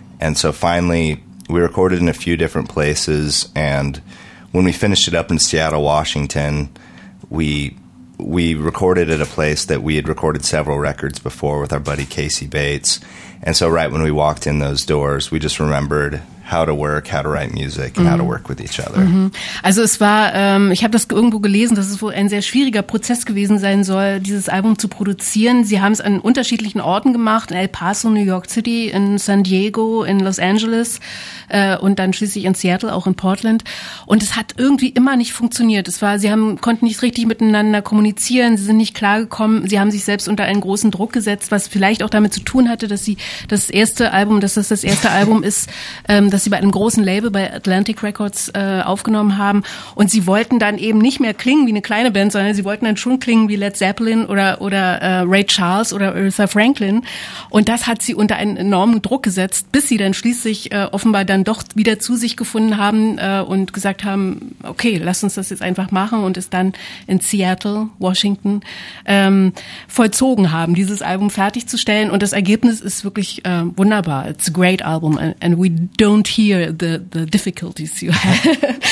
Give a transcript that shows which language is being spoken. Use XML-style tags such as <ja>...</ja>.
<en>And so finally, we recorded in a few different places, and when we finished it up in Seattle, Washington, we recorded at a place that we had recorded several records before with our buddy Casey Bates. And so right when we walked in those doors, we just remembered how to work, how to write music, and how to work with each other. Mm-hmm.</en> <de>Also es war, ich habe das irgendwo gelesen, dass es wohl ein sehr schwieriger Prozess gewesen sein soll, dieses Album zu produzieren. Sie haben es an unterschiedlichen Orten gemacht, in El Paso, New York City, in San Diego, in Los Angeles und dann schließlich in Seattle, auch in Portland. Und es hat irgendwie immer nicht funktioniert. Sie konnten nicht richtig miteinander kommunizieren, sie sind nicht klargekommen, sie haben sich selbst unter einen großen Druck gesetzt, was vielleicht auch damit zu tun hatte, dass sie das erste Album ist, dass sie bei einem großen Label, bei Atlantic Records, aufgenommen haben. Und sie wollten dann eben nicht mehr klingen wie eine kleine Band, sondern sie wollten dann schon klingen wie Led Zeppelin oder Ray Charles oder Aretha Franklin. Und das hat sie unter einen enormen Druck gesetzt, bis sie dann schließlich offenbar dann doch wieder zu sich gefunden haben und gesagt haben, okay, lass uns das jetzt einfach machen, und es dann in Seattle, Washington, vollzogen haben, dieses Album fertigzustellen. Und das Ergebnis ist wirklich wunderbar.</de> <en>It's a great album, and we don't hear the difficulties you have.</en>